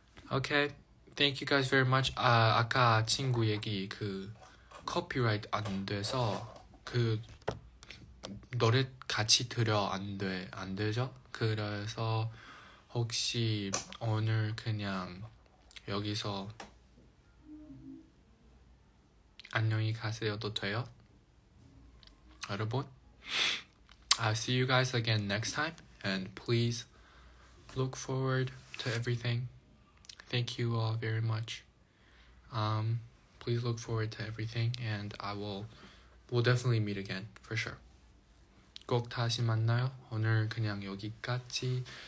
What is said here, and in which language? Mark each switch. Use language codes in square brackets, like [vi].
[en] Okay, thank you guys very much. [ko] 아까 친구 얘기 그 copyright 안 돼서 그 노래 같이 들어 안 돼, 안 되죠? 그래서 혹시 오늘 그냥 여기서 안녕히 가세요도 돼요? 여러분? [en] I'll see you guys again next time and please look forward to everything. Thank you all very much. Please look forward to everything and we'll definitely meet again for sure. [ko] 꼭 다시 만나요. 오늘 그냥 여기까지였습니다.